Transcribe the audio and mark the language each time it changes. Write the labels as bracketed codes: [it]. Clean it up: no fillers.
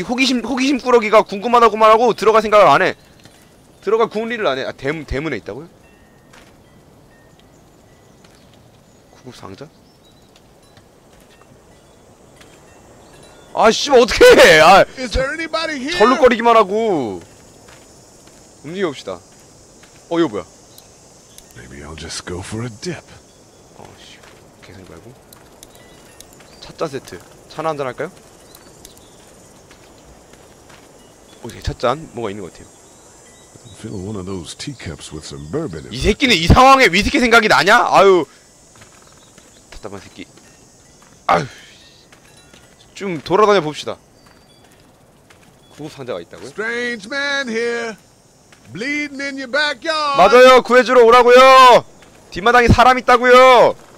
[ko] 호기심 꾸러기가 궁금하다고만 하고 들어갈 생각을 안 해. 들어갈 궁리를 안 해. 아 대문에 있다고요? 구급 상자? 아 씨 어떻게 해! 아, [en] Is there anybody here? [ko] 절룩거리기만 하고 움직여봅시다. 어 이거 뭐야? [en] Maybe I'll just go for a dip. [ko] 어 씨 개생 말고 찻자 세트 차나 한잔 할까요? 어떻게 찻잔 뭐가 있는 것 같아요. [en] Fill one of those teacups with some bourbon. [ko] 이 새끼는 이 상황에 위스키 생각이 나냐? 아유 답답한 새끼. 아유 좀 돌아다녀 봅시다. 구급 상자가 있다고요? [en] Strange man here, bleeding in your backyard. [ko] 맞아요, 구해주러 오라고요. 뒷마당에 사람 있다고요.